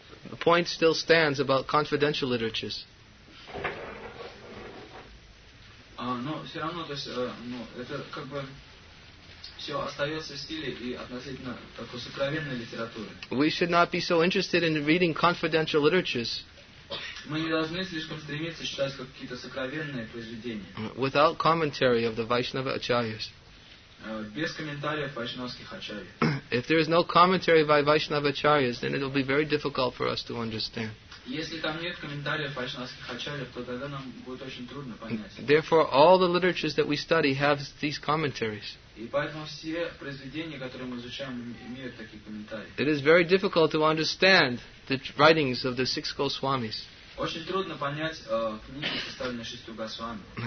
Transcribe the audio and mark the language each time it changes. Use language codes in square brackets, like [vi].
[en] The point still stands about confidential literatures. We should not be so interested in reading confidential literatures. [ru] Мы не должны слишком стремиться читать какие-то сокровенные произведения. [en] Without commentary of the Vaishnava Acharyas. [ru] Без комментариев вайшнавских ачарьев. [en] If there is no commentary by Vaishnava Acharyas, then it will be very difficult for us to understand. [ru] Если там нет комментариев вайшнавских ачарьев, то тогда нам будет очень трудно понять. [en] Therefore, all the literatures that we study have these commentaries. [ru] И поэтому все произведения, которые мы изучаем, имеют такие комментарии. [en] It is very difficult to understand the writings of the six Goswamis. [ru] Очень трудно понять книги, составленные шестью Госвами.